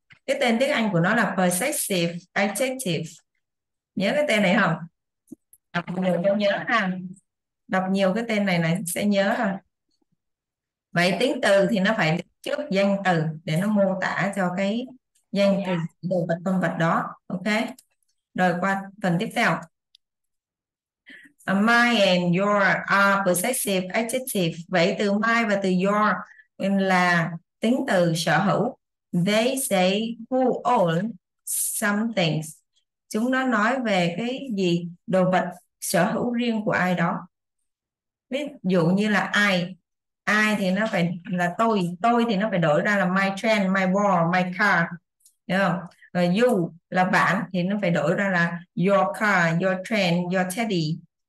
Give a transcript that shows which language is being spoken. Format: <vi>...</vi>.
<vi>Cái tên tiếng Anh của nó là possessive adjective. Nhớ cái tên này không? Đọc nhiều cho nhớ ha. Đọc nhiều cái tên này này sẽ nhớ thôi. Vậy tính từ thì nó phải trước danh từ để nó mô tả cho cái danh từ đồ vật con vật đó. Ok. Rồi qua phần tiếp theo.</vi> <en>My and your are possessive adjective.</en> <vi>Vậy từ my và từ your là tính từ sở hữu.</vi> <en>They say who own something.</en> <vi>Chúng nó nói về cái gì? Đồ vật sở hữu riêng của ai đó. Ví dụ như là ai. Ai thì nó phải là tôi. Tôi thì nó phải đổi ra là</vi> <en>my train, my ball, my car.</en> <vi>Đúng không? Rồi you là bạn thì nó phải đổi ra là</vi> <en>your car, your train, your teddy.</en>